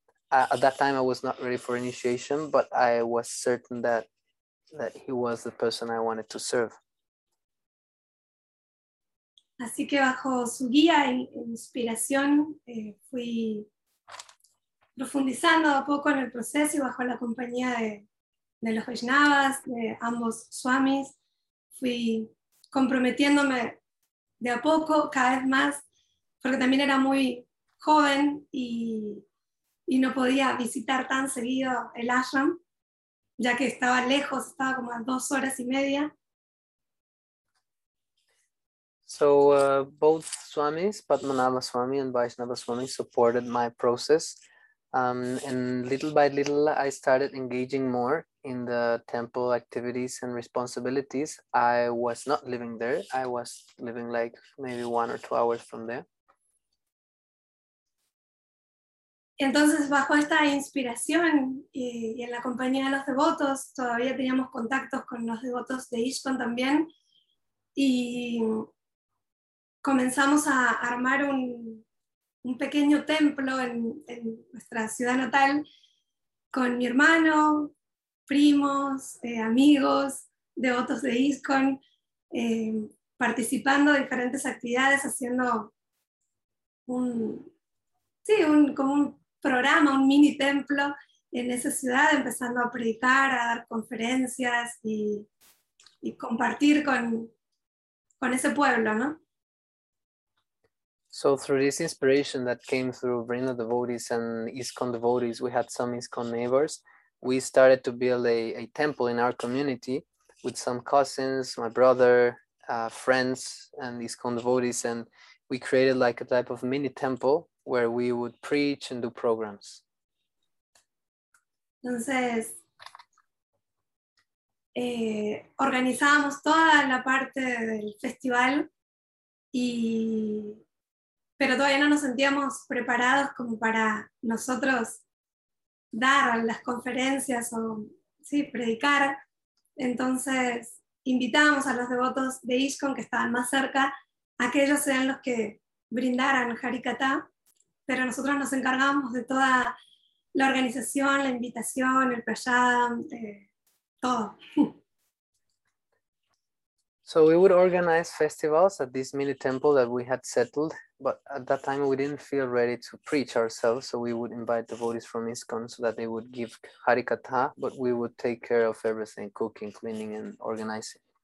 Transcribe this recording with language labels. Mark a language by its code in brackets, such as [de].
[en] At that time, I was not ready for initiation, but I was certain that he was the person I wanted to serve. [es] Así que bajo su guía e inspiración fui profundizando a poco en el proceso y bajo la compañía de los Vaishnavas, de ambos swamis, fui comprometiéndome de a poco, cada vez más, porque también era muy joven y no podía visitar tan seguido el ashram, ya que estaba lejos, estaba como a 2 horas y media. [en] So both Swamis, Padmanabha Swami and Vaishnava Swami, supported my process. And little by little, I started engaging more in the temple activities and responsibilities. I was not living there. I was living like maybe 1 or 2 hours from there. [es] Entonces, bajo esta inspiración y en la compañía de los devotos, todavía teníamos contactos con los devotos de ISKCON también, y comenzamos a armar un pequeño templo en nuestra ciudad natal con mi hermano, primos, amigos, devotos de ISKCON, participando de diferentes actividades, haciendo como un programa, un mini templo en esa ciudad, empezando a predicar, a dar conferencias y compartir con ese pueblo, ¿no? [en] So through this inspiration that came through Vrinda devotees and ISKCON devotees, we had some ISKCON neighbors. We started to build a temple in our community with some cousins, my brother, friends, and ISKCON devotees, and we created like a type of mini temple where we would preach and do programs. [es] Entonces, organizábamos toda la parte del festival, pero todavía no nos sentíamos preparados como para nosotros dar las conferencias o sí, predicar. Entonces, invitábamos a los devotos de ISKCON que estaban más cerca, a que ellos sean los que brindaran Harikatha, pero nosotros nos encargábamos de toda la organización, la invitación, el prasadam, todo. [en] So we would organize festivals at this mini temple that we had settled, but at that time we didn't feel ready to preach ourselves. So we would invite devotees from ISKCON so that they would give Harikatha, but we would take care of everything, cooking, cleaning, and organizing.